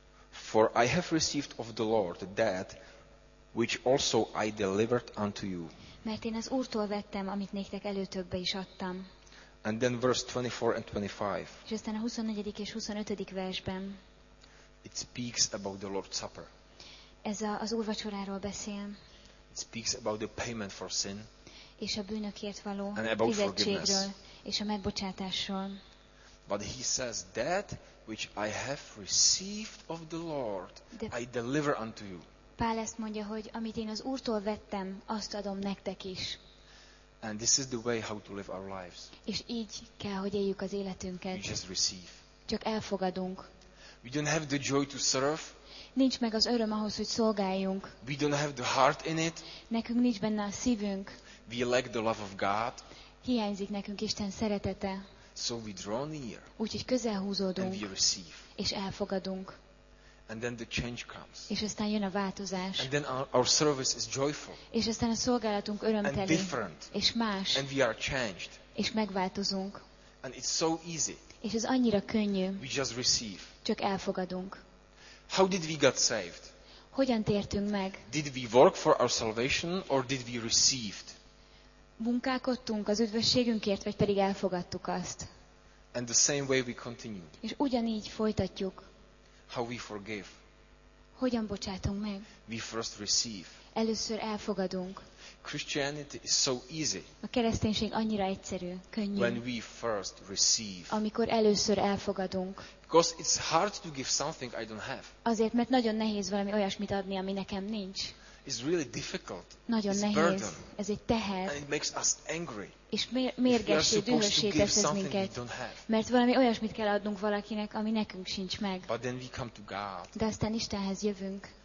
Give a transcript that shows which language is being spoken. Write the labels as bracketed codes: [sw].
[en] For I have received of the Lord that which also I delivered unto you. [hu] Mert én az Úrtól vettem, amit néktek előtökbe is adtam. [en] And then verse 24 and 25. [hu] És aztán a 24. és 25. versben. [en] It speaks about the Lord's Supper. [hu] Ez az Úrvacsoráról beszél. [en] It speaks about the payment for sin. [hu] És a bűnökért való fizetségről és a megbocsátásról. [en] But he says that which I have received of the Lord, I deliver unto you. [hu] Pál ezt mondja, hogy amit én az Úrtól vettem, azt adom nektek is. [en] And this is the way how to live our lives. [hu] És így kell, hogy éljük az életünket. [en] We just receive. [hu] Csak elfogadunk. [en] We don't have the joy to serve. [hu] Nincs meg az öröm ahhoz, hogy szolgáljunk. [en] We don't have the heart in it. [hu] Nekünk nincs benne a szívünk. [en] We lack the love of God. [hu] Hiányzik nekünk Isten szeretete. [en] So we draw near. [hu] Úgyhogy közel húzódunk. [en] And we receive. [hu] És elfogadunk. [en] And then the change comes. [hu] És aztán jön a változás. [en] And then our service is joyful. [hu] És aztán a szolgálatunk örömteli. [en] And different. [hu] És más. [en] And we are changed. [hu] És megváltozunk. [en] And it's so easy. [hu] És ez annyira könnyű. [en] We just receive. [hu] csak elfogadunk. [en] How did we get saved? [hu] Hogyan tértünk meg? [en] Did we work for our salvation or did we receive? [hu] Munkálkodtunk az üdvösségünkért, vagy pedig elfogadtuk azt? [en] And the same way we continue. [hu] És ugyanígy folytatjuk. [en] How we forgive? [hu] Hogyan bocsátunk meg? [en] We first receive. [hu] Először elfogadunk. [en] Christianity is so easy. [hu] A kereszténység annyira egyszerű, könnyű. [en] When we first receive. [hu] Amikor először elfogadunk. [en] Because it's hard to give something I don't have. [hu] Azért, mert nagyon nehéz valami olyasmit adni, ami nekem nincs. [en] It's really difficult. [hu] Nagyon nehéz. Ez egy teher. [en] And it makes us angry. [hu] És mérgessé, dühössé tesz ez minket. Mert valami olyasmit kell adnunk valakinek, ami nekünk sincs meg. [en] But then we come to God. [hu] De aztán Istenhez jövünk.